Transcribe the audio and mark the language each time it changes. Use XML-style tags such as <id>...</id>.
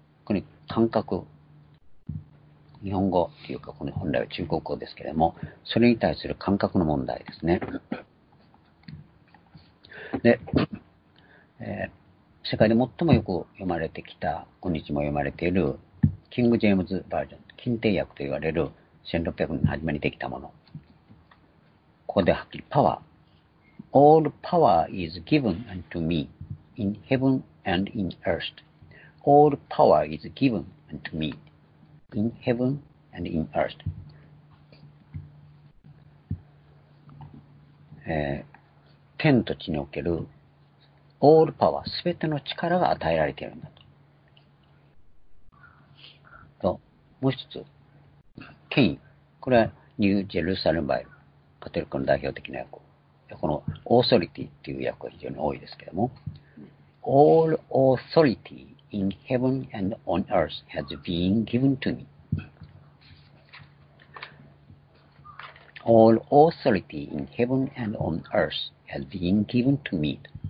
<ja>この感覚、日本語というかこの本来は中国語ですけれども、それに対する感覚の問題ですね。で、世界で最もよく読まれてきた、今日も読まれているキング・ジェームズ・バージョン、金帝訳と言われる1600年の初めにできたもの。ここではっきり、パワー。</ja> <en>All power is given unto me in heaven and in earth. All power is given unto me in heaven and in earth.</en> <ja>天と地における</ja> <en>All power、</en> <ja>すべての力が与えられているんだと。ともう一つ、権威。これはニュージェルサレムバイル、カトリックの代表的な訳。このオーソリティっていう訳が非常に多いですけども、うん、</ja> <en>All authority in heaven and on earth has been given to me。 All authority in heaven and on earth has been given to me.</en>